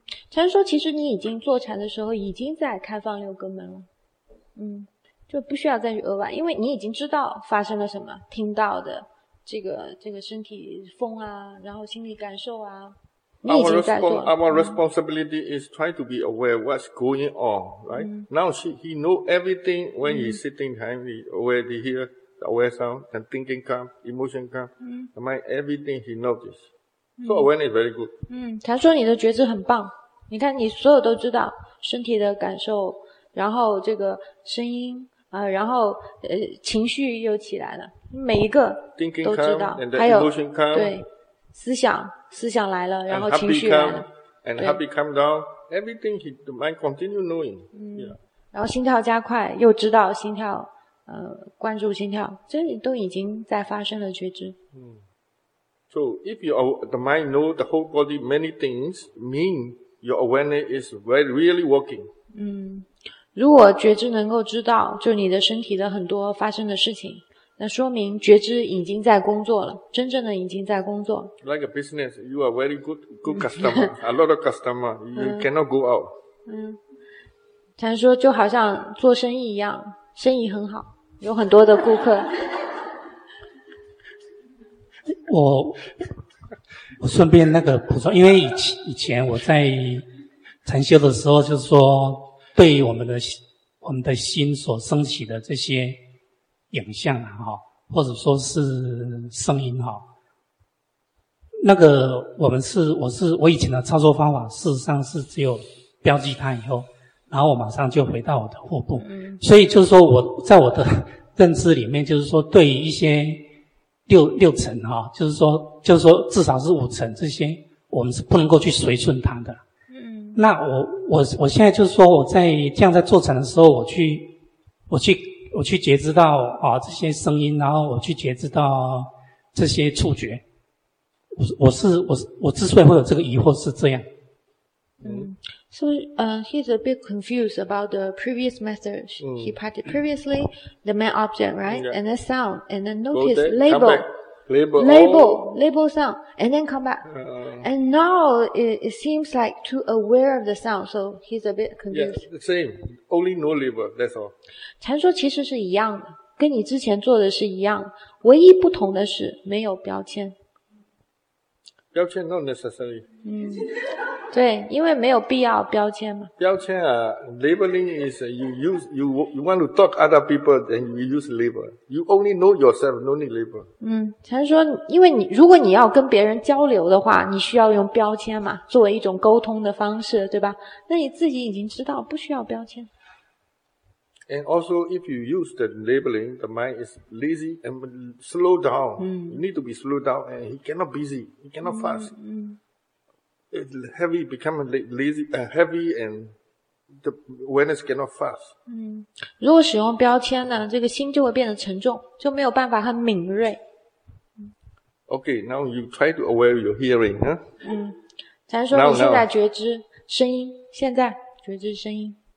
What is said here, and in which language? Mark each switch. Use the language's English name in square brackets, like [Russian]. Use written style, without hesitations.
[Chinese] 禅说其实你已经坐禅的时候已经在开放六根门了。就不需要再去额外，因为你已经知道发生了什么，听到的这个身体风啊，然后心理感受啊，你已经在做了。 [English] Our responsibility is try to be aware what's going on, right? Now he know everything when he's sitting time, he aware to hear the aware sound, and thinking come, emotion come, the mind, everything he notices. So awareness is very good. [Chinese] 他说你的觉知很棒，你看你所有都知道身体的感受，然后这个声音啊，然后情绪又起来了，每一个都知道。还有对思想来了，然后情绪来了。 [English] And happy come down, everything the mind continue knowing. [Chinese] 然后心跳加快，又知道心跳，关注心跳，这都已经在发生了觉知。 [English] So if the mind know the whole body many things, mean your awareness is very really working. [Chinese] 如果觉知能够知道就你的身体的很多发生的事情，那说明觉知已经在工作了，真正的已经在工作。 [English] Like a business, you are very good customer, a lot of customer, you cannot go out. [Chinese] 禅说就好像做生意一样，生意很好，有很多的顾客。我顺便那个补充，因为以前我在禅修的时候就是说对于我们的心所升起的这些影像啊，或者说是声音啊，那个我以前的操作方法事实上是只有标记它以后，然后我马上就回到我的货部。所以就是说我在我的认知里面，就是说对于一些六成啊，就是说至少是五成这些，我们是不能够去随顺它的。那我现在就是说我在这样在做产的时候，我去觉知到啊这些声音，然后我去觉知到这些触觉。我之所以会有这个疑惑是这样。 [English] So, he's a bit confused about the previous method he practiced. Previously, the main object, right? And then sound. And then notice label. Label sound. And then come back. And now, it seems like too aware of the sound. So, he's a bit confused. Yeah, same. Only no label, that's all. [Chinese] 禅说其实是一样的。跟你之前做的是一样。唯一不同的是没有标签。 [English] 标签 not necessary. [Chinese] 对，因为没有必要标签嘛。 [English] 标签啊 ，labeling is you want to talk other people, then you use label. You only know yourself, no need label. [Chinese] 禅说，因为你如果你要跟别人交流的话，你需要用标签嘛，作为一种沟通的方式，对吧？那你自己已经知道，不需要标签。 [English] And also, if you use the labeling, the mind is lazy and slow down. You need to be slow down, and he cannot busy, he cannot fast. It's heavy, becoming lazy, heavy, and the awareness cannot fast. [Chinese] 如果使用标签呢，这个心就会变得沉重，就没有办法很敏锐。 [English] Okay, now you try to aware your hearing, huh? [Chinese] 咱说你现在觉知声音，现在觉知声音。